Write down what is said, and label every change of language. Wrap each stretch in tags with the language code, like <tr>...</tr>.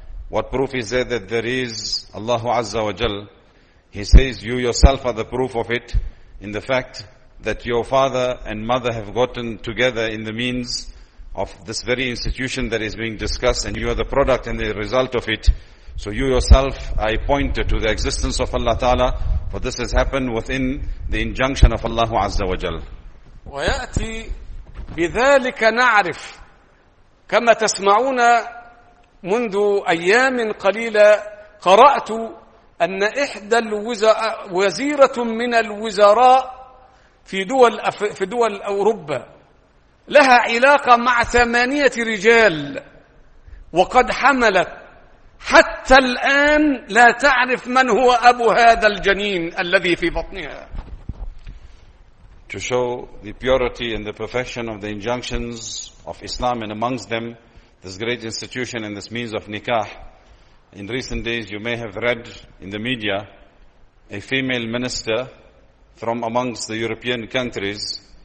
<en>What proof is there that there is Allah Azza wa Jal? He says, you yourself are the proof of it in the fact that your father and mother have gotten together in the means of this very institution that is being discussed, and you are the product and the result of it. So you yourself, I pointed to the existence of Allah Ta'ala, for this has happened within the injunction of Allah Azza wa Jal.</en> <ar>وَيَأْتِي بِذَلِكَ نَعْرِفْ كَمَا تَسْمَعُونَ مُنْذُ أَيَّامٍ قَلِيلًا قَرَأْتُ أَنَّ إِحْدَى الْوَزِيرَةٌ مِنَ الْوِزَرَاءِ في دول أوروبا لها علاقة مع ثمانية رجال وقد حملت، حتى الآن لا تعرف من هو أبو هذا الجنين الذي في بطنها.</ar> <en>To show the purity and the perfection of the injunctions of Islam and amongst them, this great institution and this means of nikah, in recent days you may have read in the media a female minister from amongst the European countries.</en>